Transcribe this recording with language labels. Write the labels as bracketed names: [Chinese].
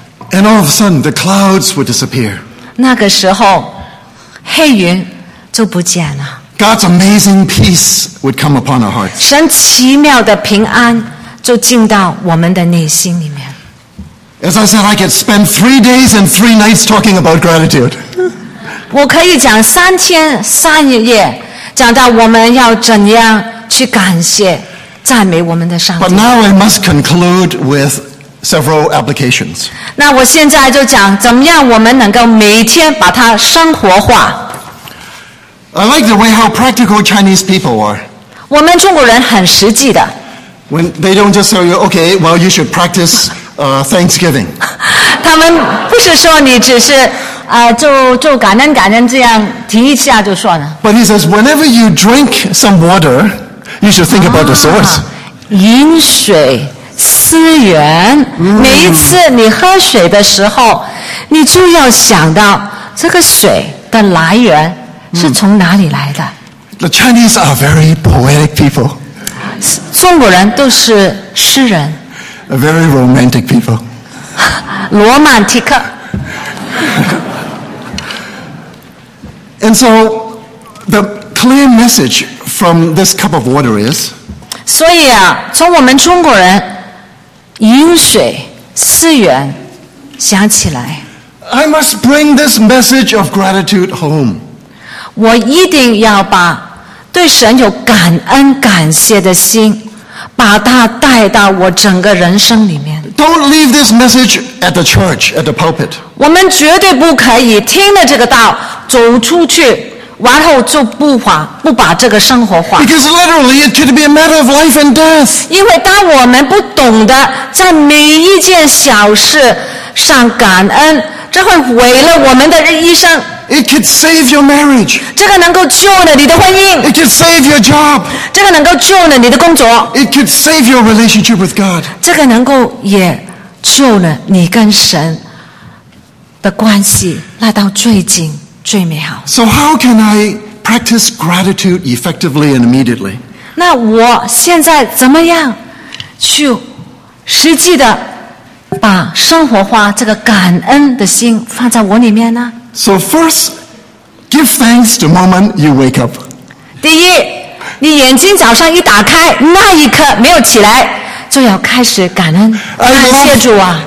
[English] And all of a sudden, the clouds would disappear. [Chinese] 那个时候黑云就不见了。 [English] God's amazing peace would come upon our hearts. [Chinese] 神奇妙的平安就进到我们的内心里面。 [English] As I said, I could spend 3 days and 3 nights talking about gratitude. [Chinese] 我可以讲3天3夜讲到我们要怎样去感谢赞美我们的上帝。 [English] But now I must conclude with several applications. [Chinese] 那我现在就讲怎么样我们能够每天把它生活化。 [English] I like the way how practical Chinese people are. [Chinese] 我们中国人很实际的。 [English] When they don't just tell you, okay, well, you should practice Thanksgiving. [Chinese] 他们不是说你只是就感恩感恩这样提一下就算了。 [English] But he says, whenever you drink some water, you should think about the source. [Chinese] 饮水思源，每一次你喝水的时候，你就要想到这个水的来源是从哪里来的。 [English] The Chinese are very poetic people. [Chinese] 中国人都是诗人。 [English] A very romantic people. [Chinese] 罗曼蒂克。 [English] And so, the clear message from this cup of water is. [Chinese] 所以啊，从我们中国人。饮水思源想起来 [English] I must bring this message of gratitude home [Chinese] 我一定要把对神有感恩感谢的心把它带到我整个人生里面 [English] Don't leave this message at the church, at the pulpit [Chinese] 我们绝对不可以听了这个道走出去然后就不把这个生活化。 [English] Because literally it could be a matter of life and death. [Chinese] 因为当我们不懂得在每一件小事上感恩，这会毁了我们的一生。 [English] It could save your marriage. [Chinese] 这个能够救了你的婚姻。 [English] It could save your job. [Chinese] 这个能够救了你的工作。 [English] It could save your relationship with God. [Chinese] 这个能够也救了你跟神的关系，那到最近。最美好。 [English] So how can I practice gratitude effectively and immediately? [Chinese] 那我现在怎么样去实际的把生活化这个感恩的心放在我里面呢？ [English] So first, give thanks the moment you wake up. [Chinese] 第一，你眼睛早上一打开，那一刻没有起来，就要开始感恩，感谢主啊。